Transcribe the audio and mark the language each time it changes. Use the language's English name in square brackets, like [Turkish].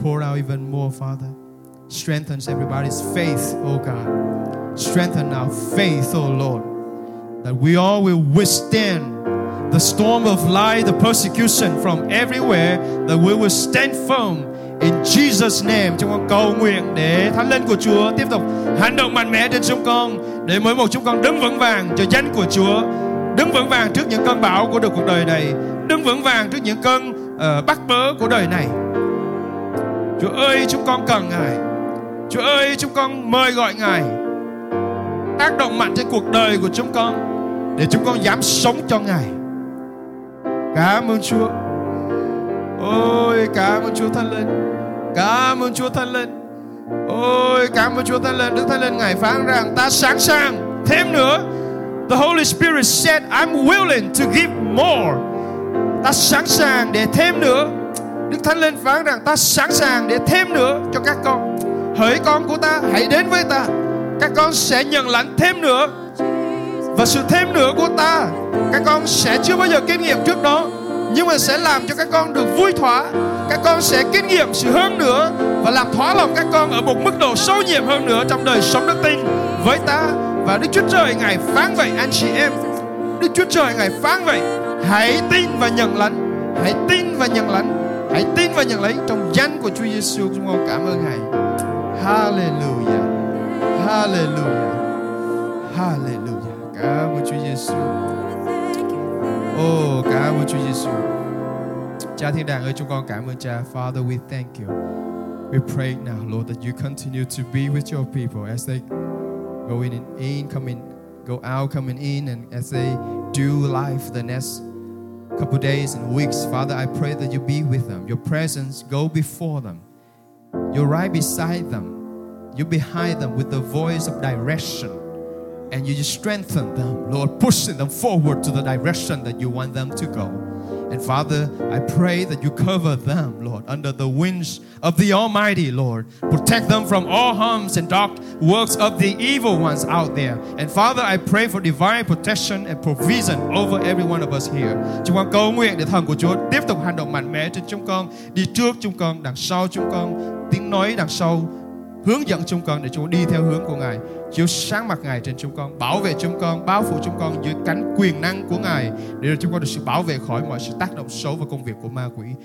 [English] Pour out even more, Father. Strengthens everybody's faith, oh God. Strengthen our faith, oh Lord, that we all will withstand the storm of life, the persecution from everywhere, that we will stand firm in Jesus' name. [Vietnamese] Chúng con cầu nguyện để Thánh Linh của Chúa tiếp tục hành động mạnh mẽ trên chúng con, để mỗi một chúng con đứng vững vàng cho danh của Chúa, đứng vững vàng trước những cơn bão của cuộc đời này, đứng vững vàng trước những cơn bắc bớ của đời này. Chúa ơi, chúng con cần Ngài. Chúa ơi, chúng con mời gọi Ngài tác động mạnh trên cuộc đời của chúng con, để chúng con dám sống cho Ngài. Cảm ơn Chúa. Ôi, cảm ơn Chúa Thánh Linh. Cảm ơn Chúa Thánh Linh. Ôi, cảm ơn Chúa Thánh Linh. Đức Thánh Linh Ngài phán rằng ta sẵn sàng thêm nữa. [English] The Holy Spirit said I'm willing to give more. [Vietnamese] Ta sẵn sàng để thêm nữa. Đức Thánh Linh phán rằng ta sẵn sàng để thêm nữa cho các con. Hỡi con của ta, hãy đến với ta. Các con sẽ nhận lãnh thêm nữa. Và sự thêm nữa của ta, các con sẽ chưa bao giờ kinh nghiệm trước đó, nhưng mà sẽ làm cho các con được vui thỏa. Các con sẽ kinh nghiệm sự hơn nữa và làm thỏa lòng các con ở một mức độ sâu nhiệm hơn nữa trong đời sống đức tin với ta. Và Đức Chúa Trời Ngài phán vậy anh chị em. Đức Chúa Trời Ngài phán vậy. Hãy tin và nhận lãnh. Hãy tin và nhận lãnh. Hãy tin và nhận lấy trong danh của Chúa Giêsu. Chúng con cảm ơn Ngài. Hallelujah. Hallelujah. Hallelujah. Cảm ơn Chúa Giêsu. Oh, cảm ơn Chúa Giêsu. Cha thiên đàng ơi, chúng con cảm ơn Cha. [English] Father, we thank you. We pray now, Lord, that you continue to be with your people as they go in and in, coming, go out, coming in, and as they do life the next couple days and weeks. Father, I pray that you be with them. Your presence go before them. You're right beside them. You're behind them with the voice of direction. And you just strengthen them, Lord, pushing them forward to the direction that you want them to go. And Father, I pray that you cover them, Lord, under the wings of the Almighty, Lord. Protect them from all harms and dark works of the evil ones out there. And Father, I pray for divine protection and provision over every one of us here. [Vietnamese] Chúng con cầu nguyện để thần của Chúa tiếp tục hành động mạnh mẽ trên chúng con, đi trước chúng con, đằng sau chúng con, tiếng nói đằng sau, hướng dẫn chúng con để chúng con đi theo hướng của Ngài. Chiếu sáng mặt Ngài trên chúng con, bảo vệ chúng con, bao phủ chúng con dưới cánh quyền năng của Ngài, để chúng con được sự bảo vệ khỏi mọi sự tác động xấu và công việc của ma quỷ.